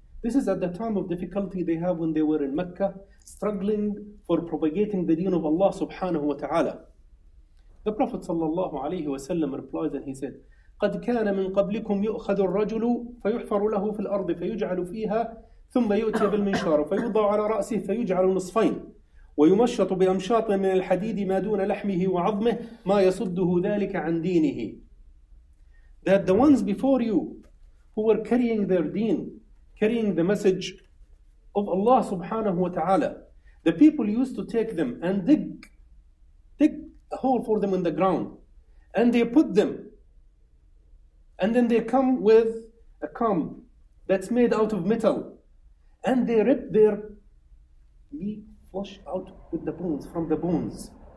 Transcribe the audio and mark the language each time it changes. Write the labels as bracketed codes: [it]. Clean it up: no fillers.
[en] This is at the time of difficulty they have when they were in Mecca, struggling for propagating the deen of Allah subhanahu wa ta'ala. The Prophet sallallahu alayhi wa sallam replies and he said, [ar] قد كان من قبلكم يؤخذ الرجل فيحفر له في الأرض فيجعل فيها، ثم يؤتي بالمنشار فيوضع على رأسه فيجعل نصفين، ويمشط بأمشاط من الحديد ما دون لحمه وعظمه ما يصده ذلك عن دينه. [en] That the ones before you who were carrying their deen, carrying the message of Allah subhanahu wa ta'ala, the people used to take them and dig a hole for them in the ground, and they put them, and then they come with a comb that's made out of metal, and they rip their meat flesh out with the bones, from the bones.